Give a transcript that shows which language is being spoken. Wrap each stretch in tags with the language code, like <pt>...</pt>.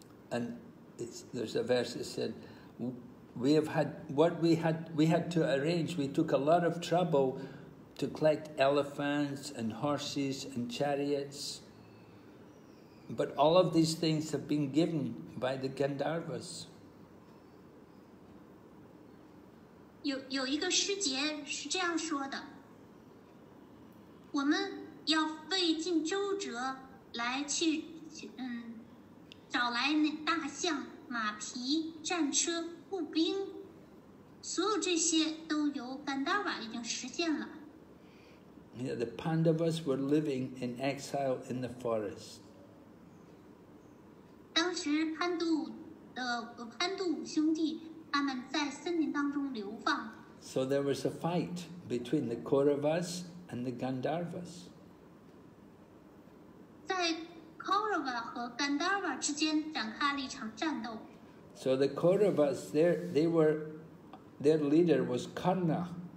<en>And there's a verse that said, we had to arrange, we took a lot of trouble to collect elephants and horses and chariots. But all of these things have been given by the Gandharvas.</en> <zh>有一个师姐是这样说的，我们要费尽周折来去找来那大象、马匹、战车、步兵，所有这些都由Gandharva已经实现了。</zh> <en>Yeah, the Pandavas were living in exile in the forest.</en> <zh>当时潘度兄弟他们在森林当中流放。</zh> <en>So there was a fight between the Kauravas and the Gandharvas.</en> <zh>在 Kaurava 和 Gandharva 之间展开了一场战斗。</zh> <en>So the Kauravas, their leader was Karna.</en>